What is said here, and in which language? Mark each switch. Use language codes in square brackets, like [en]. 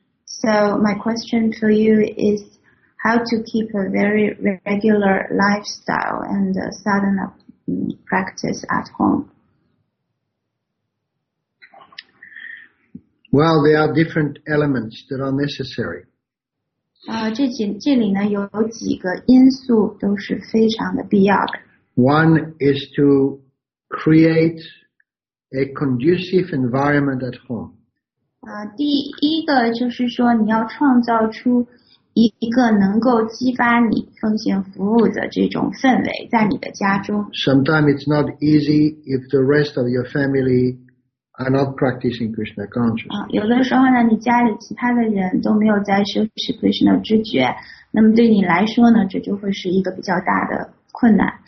[en] So my question for you is,how to keep a very regular lifestyle and sadhana practice at home? Well, there are different elements that are necessary. [zh] 这里呢有几个因素都是非常的必要的。 [en] One is to create a conducive environment at home. [zh] 第一个就是说你要创造出一个能够激发你奉献服务的这种氛围在你的家中。 [en] Sometimes it's not easy if the rest of your family are not practicing Krishna consciousness. [zh] 有的时候呢你家里其他的人都没有在修持 Krishna 知觉，那么对你来说呢这就会是一个比较大的困难。